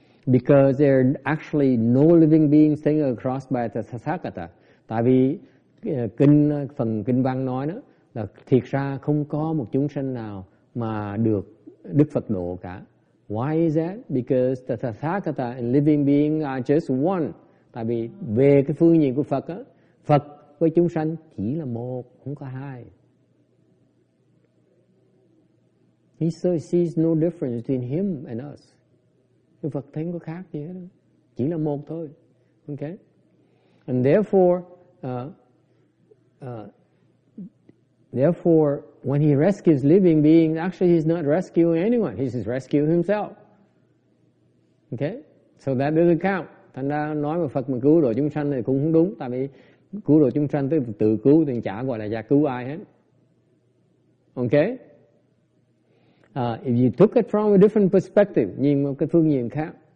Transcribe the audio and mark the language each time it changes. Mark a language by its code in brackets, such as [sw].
[en] Because there are actually no living beings sitting across by the Tathagata. [vi] Tại vì phần kinh văn nói đó là thiệt ra không có một chúng sanh nào mà được Đức Phật độ cả. [en] Why is that? Because the Tathagata and living being are just one. [vi] Tại vì về cái phương diện của Phật á, Phật với chúng sanh chỉ là một, không có hai. [en] He sees no difference between him and us. [vi] Cái Phật thấy có khác gì hết, chỉ là một thôi. [en] Okay? And therefore, when he rescues living beings, actually he's not rescuing anyone. He's just rescuing himself. Okay? So that doesn't count. [vi] Thành ra nói mà Phật mà cứu độ chúng sanh thì cũng không đúng. Tại vì cứu độ chúng sanh tức là tự cứu, thì chả gọi là gia cứu ai hết. [en] Okay? If you took it from a different perspective, [vi] nhìn một cái phương diện khác,